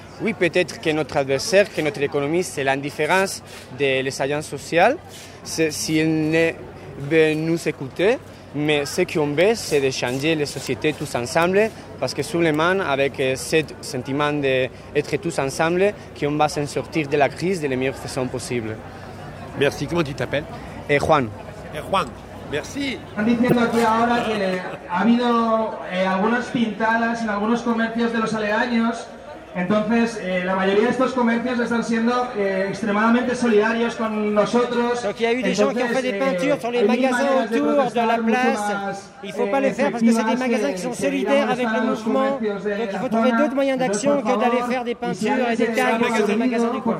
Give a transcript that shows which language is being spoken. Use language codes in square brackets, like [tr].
[fr] Oui, peut-être que notre adversaire, que notre économie, c'est l'indifférence des agences sociales, c'est, si elles ne veulent nous écouter. Mais ce qu'on veut, c'est de changer les sociétés tous ensemble, parce que seulement avec ce sentiment d'être tous ensemble, qu'on va s'en sortir de la crise de la meilleure façon possible. Merci. Comment tu t'appelles? Et Juan. Merci. [es] Están diciendo aquí ahora que ha habido algunas pintadas en algunos comercios de los aledaños. Entonces, la mayoría de estos comercios están siendo extremadamente solidarios con nosotros. [fr] Donc il y a eu des gens qui ont fait des peintures sur les magasins autour de la place. Il ne faut pas les faire parce que c'est des magasins qui sont solidaires avec le mouvement. Donc il faut trouver d'autres moyens d'action que d'aller faire des peintures et des tags sur les magasins du coin.